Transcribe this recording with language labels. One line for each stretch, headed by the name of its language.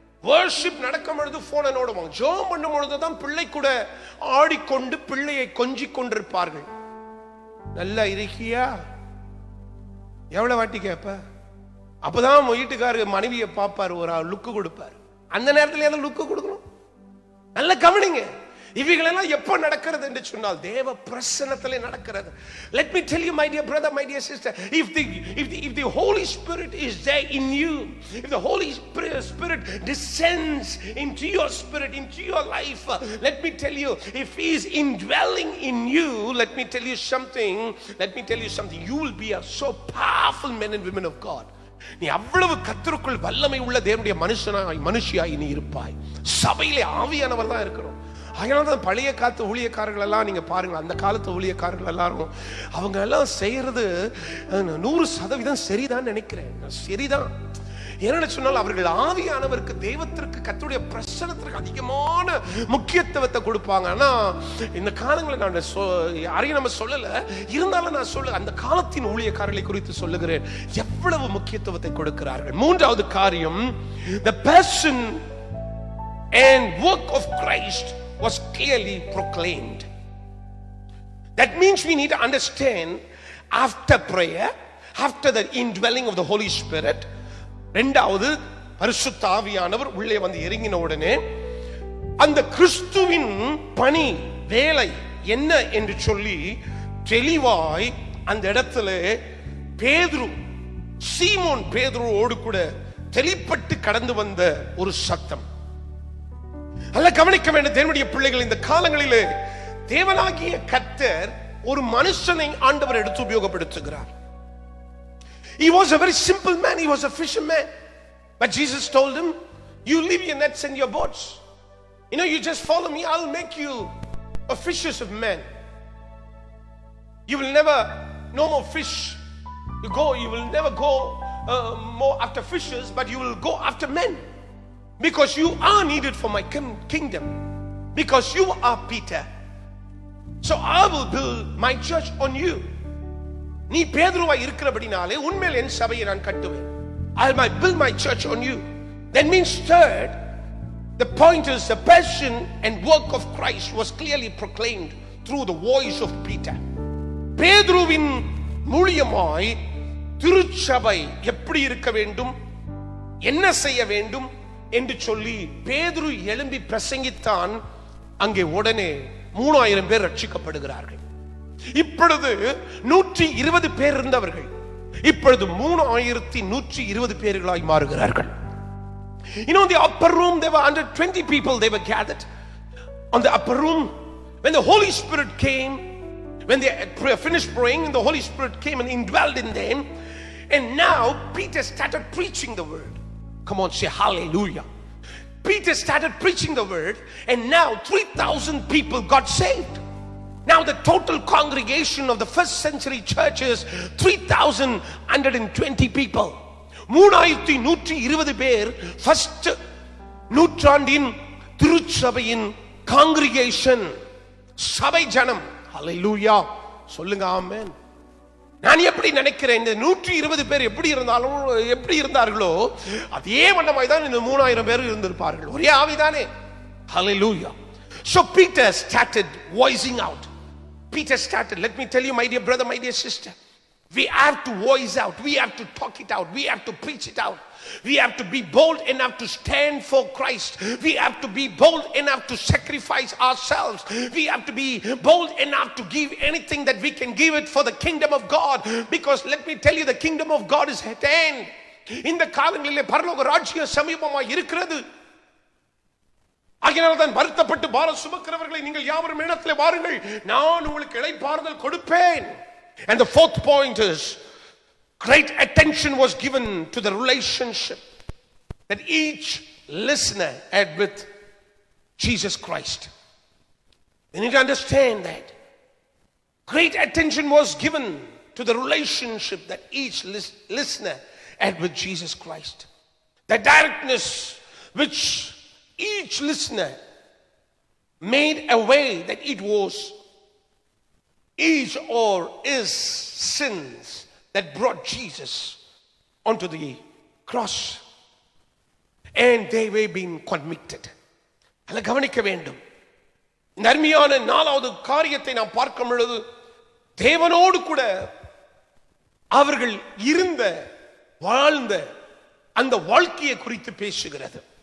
Tamil: Worship நடக்கும் பொழுது போன ஓடுவாங்க, ஜெபம் பண்ணும் பொழுதுதான் பிள்ளை கூட ஆடிக்கொண்டு பிள்ளையை கொஞ்சிக் கொண்டிருப்பார்கள். நல்லா இருக்கியா? எவ்வளவு வாட்டி கேட்ப? அப்பதான் வீட்டுக்காரு மனைவியை பார்ப்பாரு, ஒரு லுக்கு கொடுப்பாரு. அந்த நேரத்தில் ஏதாவது லுக்கு கொடுக்கணும். நல்ல கவனிங்க, இவைகளெல்லாம் எப்ப நடக்கிறது என்று சொன்னால் தேவ பிரசன்னத்திலே நடக்கிறது.
English: Let me tell you, my dear brother, my dear sister, if the Holy Spirit is there in you, if the Holy Spirit descends into your spirit, into your life, let me tell you, if he is indwelling in you, let me tell you something, you will be a so powerful men and women of God.
Tamil: நீ அவ்வளவு கர்த்தருக்குள் வல்லமை உள்ள தேவனுடைய மனுஷியாய் நீ இருப்பாய். சபையிலே ஆவியானவர் தான் இருக்கிறோம். அதனால்தான் பழைய காலத்து ஊழியக்காரர்கள் எல்லாம் நீங்க பாருங்க, அந்த காலத்து ஊழியக்காரர்கள் எல்லாரும் அவங்க எல்லாம் செய்யறது 100% சரிதான் நினைக்கிறேன். சரிதான், என்ன சொன்னால் அவர்கள் ஆவியானவருக்கு, தேவத்திற்கு, கர்த்தருடைய பிரசன்னத்திற்கு அதிகமான முக்கியத்துவத்தை கொடுப்பாங்க. ஆனா இந்த காலங்களை நான் யாரையும் நம்ம சொல்லல, இருந்தாலும் நான் சொல்ல அந்த காலத்தின் ஊழியக்காரர்களை குறித்து சொல்லுகிறேன், எவ்வளவு முக்கியத்துவத்தை கொடுக்கிறார்கள். மூன்றாவது காரியம்,
English: the person and work of Christ was clearly proclaimed. That means we need to understand, after prayer, after the indwelling of the Holy Spirit,
Tamil: ரெண்டாவது பரிசுத்த ஆவியானவர் உள்ளே வந்து இறங்கின உடனே அந்த கிறிஸ்துவின் பணி வேலை என்ன என்று சொல்லி தெளிவாய் அந்த இடத்துல பேதுரு, சீமோன் பேதுருவோடு கூட தெளிப்பட்டு கடந்து வந்த ஒரு சத்தம். அல்ல, கவனிக்க வேண்டும் தேவனுடைய பிள்ளைகள், இந்த காலங்களிலே தேவனாகிய கர்த்தர் ஒரு மனுஷனை ஆண்டவர் எடுத்து உபயோகப்படுத்துகிறார்.
English: He was a very simple man. He was a fisherman. But Jesus told him, you leave your nets and your boats. You know, you just follow me. I'll make you a fishers of men. You will never, no more fish. You will never go more after fishes, but you will go after men. Because you are needed for my kingdom. Because you are Peter. So I will build my church on you.
Tamil: நீ பேதுருவாய் இருக்கிறபடினாலே உன்மேல் என் சபையை நான் கட்டுவேன்.
English: I might build my church on you. That means third, the point is the passion and work of Christ was clearly proclaimed through the voice of Peter.
Tamil: பேதுருவின் மூலமாய் திருச்சபை எப்படி இருக்க வேண்டும், என்ன செய்ய வேண்டும் என்று சொல்லி பேதுரு எழும்பி பிரசங்கித்தான். அங்கே உடனே 3000 பேர் ரட்சிக்கப்படுகிறார்கள். இப்பொழுது 120 பேர் இருந்தவர்கள் இப்பொழுது 3120 பேர்களாய் மாறுகிறார்கள்.
English: You know, the upper room, there were 120 people, they were gathered on the upper room. When the Holy Spirit came, when they finished praying, the Holy Spirit came and indwelled in them, and now Peter started preaching the word. Come on, say hallelujah. Peter started preaching the word, and now 3000 people got saved. Now the total congregation of the first century church is 3,120 people.
Tamil: 3,120 பேர் first நூற்றாண்டின் திருச்சபையின் congregation, சபை ஜனம். Hallelujah. சொல்லுங்க ஆமென். நான் எப்படி நினைக்கிறேன், இந்த 120 பேர் எப்படி இருந்தார்களோ அதே வண்ணமாய் தான் இந்த 3000 பேர் இருந்திருப்பார்கள். ஒரே ஆவிதானே. Hallelujah.
English: So Peter started voicing out. Peter started. Let me tell you, my dear brother, my dear sister, we have to voice out, we have to talk it out, we have to preach it out. We have to be bold enough to stand for Christ. We have to be bold enough to sacrifice ourselves. We have to be bold enough to give anything that we can give it for the kingdom of God. Because let me tell you, the kingdom of God is at hand.
Tamil: இந்த காலங்களிலே பரலோக ராஜ்யம் சமீபமாய் இருக்கிறது. ஆகினால்தான் வருத்தப்பட்டு பார சுமக்கிறவர்களை நீங்கள் யாவரும் இடத்துல வாருங்கள், நான் உங்களுக்கு இளைப்பாறுதல் கொடுப்பேன்.
English: And the fourth point is, great attention was given to the relationship that each listener had with Jesus Christ. You need to understand that. Great attention was given to the relationship that each listener had with Jesus Christ. The directness which each listener made a way that it was is or is sins that brought Jesus onto the cross and they were being convicted.
Tamil: அல்ல, கவனிக்க வேண்டும். இந்த அருமையான நாலாவது காரியத்தை நாம் பார்க்கும் பொழுது தேவனோடு கூட அவர்கள் இருந்த வாழ்ந்த அந்த வாழ்க்கையை குறித்து பேசுகிறது.